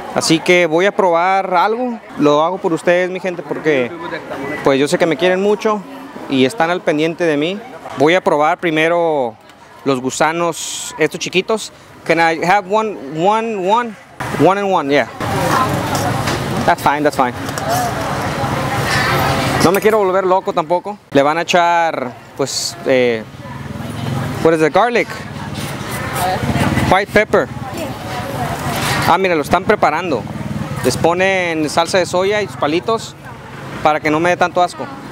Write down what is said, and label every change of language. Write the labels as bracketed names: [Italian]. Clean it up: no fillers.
[Spanish] Así que voy a probar algo. Lo hago por ustedes, mi gente, porque pues yo sé que me quieren mucho y están al pendiente de mí. Voy a probar primero los gusanos, estos chiquitos. [English] Can I have one and one, yeah. That's fine. [Spanish] No me quiero volver loco tampoco. Le van a echar, pues, [English] what is it? Garlic. White pepper. [Spanish] Ah, mira, lo están preparando. Les ponen salsa de soya y sus palitos para que no me dé tanto asco.